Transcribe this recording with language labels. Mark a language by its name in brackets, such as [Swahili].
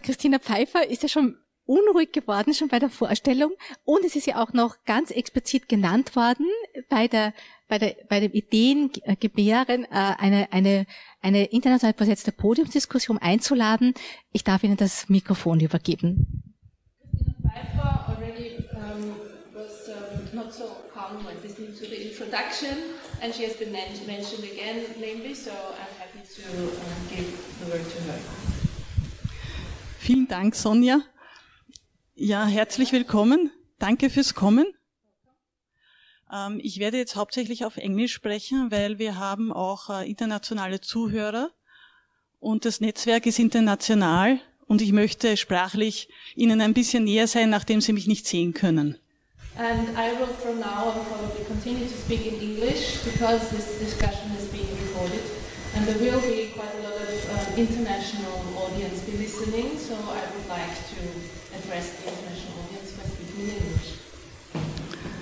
[German] Christina Pfeiffer ist ja schon unruhig geworden, schon bei der Vorstellung. Und es ist ja auch noch ganz explizit genannt worden, bei dem Ideengebären eine international besetzte Podiumsdiskussion einzuladen. Ich darf Ihnen das Mikrofon übergeben. [English] Pfeiffer already was not so calm when listening to the introduction. And she has been mentioned again lately, so I'm happy to give the word to her. [German] Vielen Dank, Sonja. Ja, herzlich willkommen. Danke fürs Kommen. Ich werde jetzt hauptsächlich auf Englisch sprechen, weil wir haben auch internationale Zuhörer und das Netzwerk ist international und ich möchte sprachlich Ihnen ein bisschen näher sein, nachdem Sie mich nicht sehen können. [English] And I will from now on probably continue to speak in English because this discussion is being recorded. And there will be quite a lot of international audience be listening, so I would like to address the international audience by speaking in English.